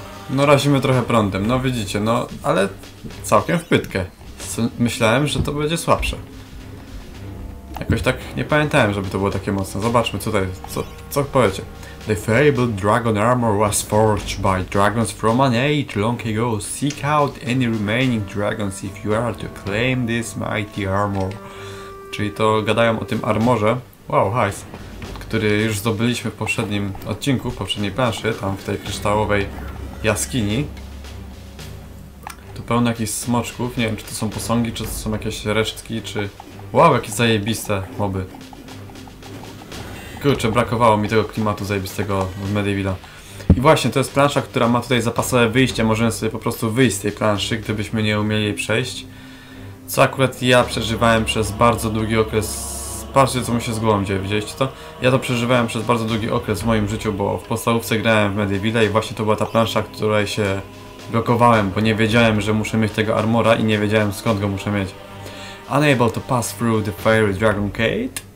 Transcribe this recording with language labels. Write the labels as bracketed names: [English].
[Polish] No, razimy trochę prądem, no widzicie, no. Ale całkiem w pytkę. Myślałem, że to będzie słabsze. Jakoś tak nie pamiętałem, żeby to było takie mocne. Zobaczmy tutaj, co powiecie. [English] The fabled dragon armor was forged by dragons from an age long ago. Seek out any remaining dragons if you are to claim this mighty armor. [Polish] Czyli to gadają o tym armorze. Wow, hajs. Który już zdobyliśmy w poprzednim odcinku, w poprzedniej planszy, tam w tej kryształowej jaskini. Tu pełno jakichś smoczków. Nie wiem, czy to są posągi, czy to są jakieś resztki, czy... Wow, jakie zajebiste moby. Kurczę, brakowało mi tego klimatu zajebistego w Medievala. I właśnie, to jest plansza, która ma tutaj zapasowe wyjście. Możemy sobie po prostu wyjść z tej planszy, gdybyśmy nie umieli jej przejść. Co akurat ja przeżywałem przez bardzo długi okres. Patrzcie, co mi się z głową dzieje, widzieliście to? Ja to przeżywałem przez bardzo długi okres w moim życiu, bo w podstawówce grałem w Medievala i właśnie to była ta plansza, której się blokowałem, bo nie wiedziałem, że muszę mieć tego armora i nie wiedziałem, skąd go muszę mieć. [English] Unable to pass through the Fiery Dragon Gate.